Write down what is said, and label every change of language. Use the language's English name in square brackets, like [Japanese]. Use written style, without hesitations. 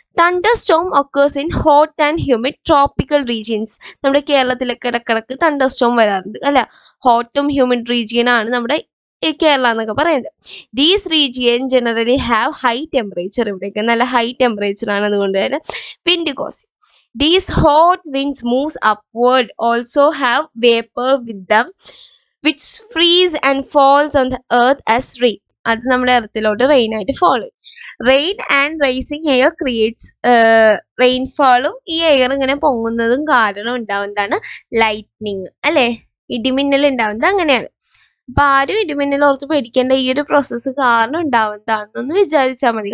[English] Thunderstorm occurs in hot and humid tropical regions. [Malayalam] നമ്മുടെ കേരളത്തിലൊക്കെ ഇടക്കിടക്ക് തണ്ടർസ്റ്റോം വരാറുണ്ട് അല്ലെ. ഹോട്ടും ഹ്യൂമിഡ് റീജിയനാണ് നമ്മുടെ കേരളം എന്നൊക്കെ പറയുന്നത്. [English] these region generally have high temperature, [Malayalam] ഇവിടെയൊക്കെ നല്ല ഹൈ ടെമ്പറേച്ചറാണ്, അതുകൊണ്ട് തന്നെ wind Kosi. [English] These hot winds moves upward also have vapor with them which freeze and falls on the earth as rain. [Malayalam] അത് നമ്മുടെ എർത്തിലോട്ട് റെയിൻ ആയിട്ട് follow. [English] rain and rising air creates റെയിൻഫാളും [Malayalam] ഈ air ഇങ്ങനെ പൊങ്ങുന്നതും കാരണം ഉണ്ടാവുന്നതാണ് ലൈറ്റ്നിങ് അല്ലേ, ഇടിമിന്നൽ ഉണ്ടാവുന്നത് അങ്ങനെയാണ്. അപ്പൊ ആരും ഇടിമിന്നൽ ഓർത്ത് പേടിക്കേണ്ട, ഈ ഒരു പ്രോസസ്സ് കാരണം ഉണ്ടാവുന്നതാണെന്നൊന്ന് വിചാരിച്ചാൽ മതി.